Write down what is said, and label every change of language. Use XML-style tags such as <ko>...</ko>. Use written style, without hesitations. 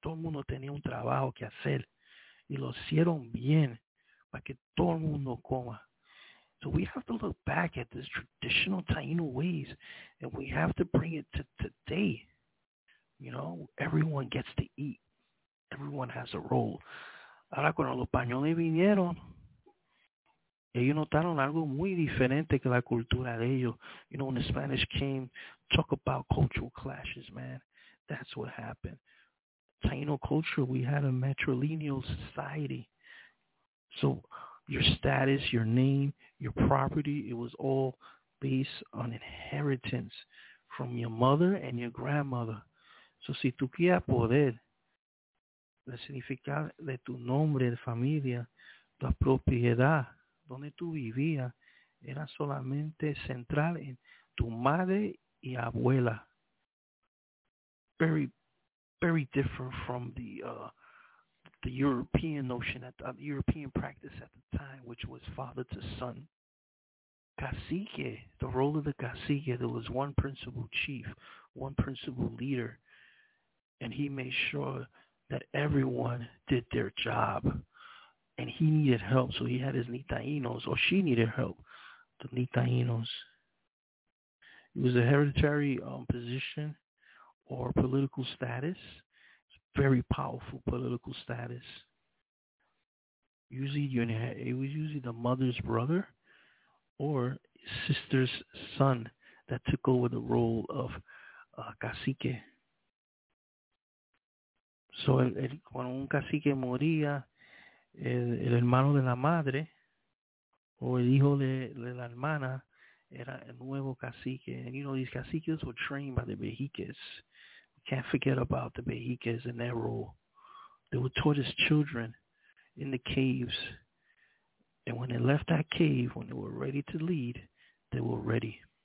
<es>Todo el mundo tenía un trabajo que hacer. Y lo hicieron bien para que todo el mundo coma.</es> <en>So we have to look back at this traditional Taino ways, and we have to bring it to today. You know, everyone gets to eat. Everyone has a role.</en> <es>Ahora cuando los españoles vinieron, ellos notaron algo muy diferente que la cultura de ellos.</es> <en>You know, when the Spanish came, talk about cultural clashes, man. That's what happened. Taino culture, we had a matrilineal society. So your status, your name, your property, it was all based on inheritance from your mother and your grandmother.</en> <es>So si tú quieres poder, el significado de tu nombre, de familia, tu propiedad, donde tú vivías, era solamente central en tu madre y abuela.</es> <en>Very, very different from the European notion, the European practice at the time, which was father to son. Cacique, the role of the cacique, there was one principal chief, one principal leader, and he made sure that everyone did their job. And he needed help, so he had his Nitainos, or she needed help, the Nitainos. It was a hereditary position or political status. Very powerful political status. It was usually the mother's brother or sister's son that took over the role of cacique.</en> <es>So cuando un cacique moría, el hermano de la madre o el hijo de la hermana era el nuevo cacique.</es> <en>And you know, these caciques were trained by the Mexicas. Can't forget about the Mexicas and their role. They were taught as children in the caves. And when they left that cave, when they were ready to lead, they were ready.</en>